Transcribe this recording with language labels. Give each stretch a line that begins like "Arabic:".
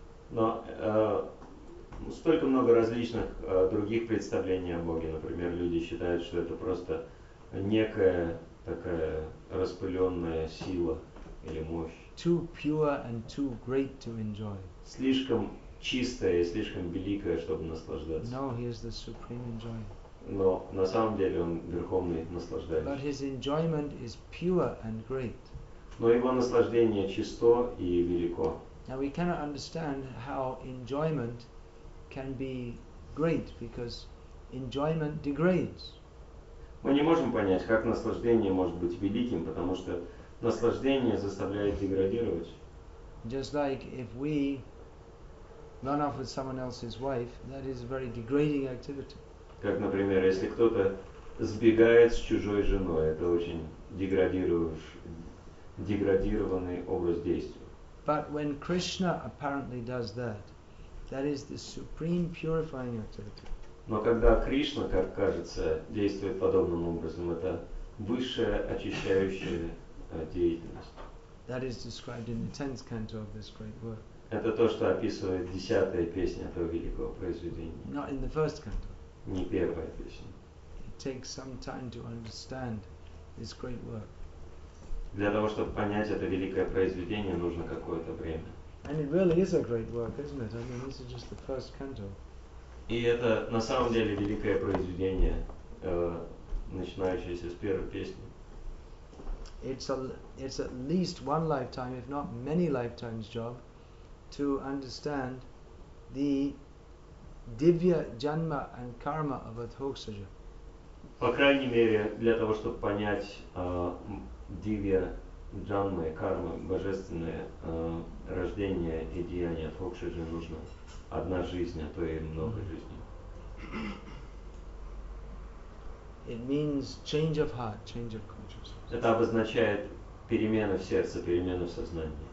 Russian: Но столько много различных других представлений о Боге. Например, люди считают, что это просто некая такая распыленная сила или мощь.
English: Too pure and too great to enjoy.
Russian: Слишком чистая и слишком великая, чтобы наслаждаться.
English: No, he is the supreme enjoyer.
Russian: Но на самом деле он верховный наслаждающий.
English: But his enjoyment is pure and great.
Russian: Но его наслаждение чисто и велико.
English: Now we cannot understand how enjoyment can be great because enjoyment degrades.
Russian: Мы не можем понять, как наслаждение может быть великим, потому что наслаждение заставляет деградировать.
English: Just like if we run off with someone else's wife, that is a very degrading activity.
Russian: Как, например, если кто-то сбегает с чужой женой, это очень деградированный образ действия.
English: But when Krishna apparently does that, that is the supreme purifying activity.
Russian: Но когда Кришна, как кажется, действует подобным образом, это высшая очищающая деятельность.
English: That is described in the 10th canto of this great work.
Russian: Это то, что описывает десятая песня этого великого произведения.
English: Not in the first canto.
Russian: Не первая песня.
English: It takes some time to understand this great work.
Russian: Для того, чтобы понять это великое произведение, нужно какое-то время.
English: And it really is a great work, isn't it? I mean, this is just the first canto.
Russian: И это на самом деле великое произведение. начинающаяся с первой песни.
English: It's at least one lifetime, if not many lifetimes, job to understand the Divya Janma and Karma of Adhoksaja.
Russian: По крайней мере, для того, чтобы понять Divya Janma и Karma, божественное рождение и деяние Адхокшиджи, нужна одна жизнь, а то и много жизней.
English: It means change of heart, change of consciousness.
Russian: Это обозначает перемену в сердце, перемену в сознании.